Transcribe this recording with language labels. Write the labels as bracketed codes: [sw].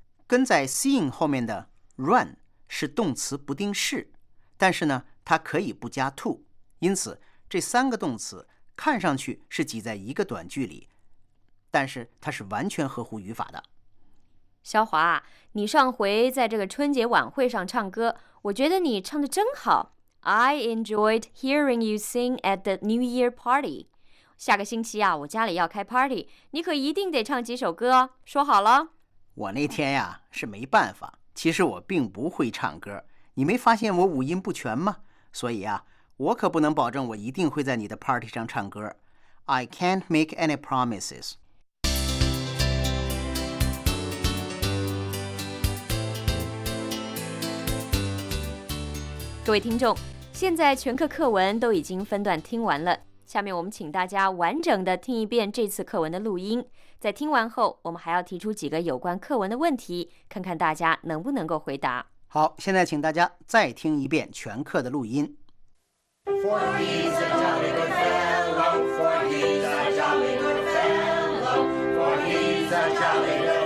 [zh] 跟在 seeing 后面的 run 是动词不定式，但是呢它可以不加 to， 因此这三个动词看上去是挤在一个短句里，但是它是完全合乎语法的。小华，你上回在这个春节晚会上唱歌，我觉得你唱得真好。 [en] I enjoyed hearing you sing at the New Year party. [zh] 下个星期啊，我家里要开 party， 你可一定得唱几首歌哦，说好了。我那天呀是没办法，其实我并不会唱歌，你没发现我五音不全吗？所以啊，我可不能保证我一定会在你的 party 上唱歌。 [en] I can't make any promises. [zh] 各位听众，现在全课课文都已经分段听完了，下面我们请大家完整的听一遍这次课文的录音。在听完后，我们还要提出几个有关课文的问题，看看大家能不能够回答。好，现在请大家再听一遍全课的录音。 [en] For he's a jolly good fellow, for he's a jolly good fellow, for he's a jolly good fellow.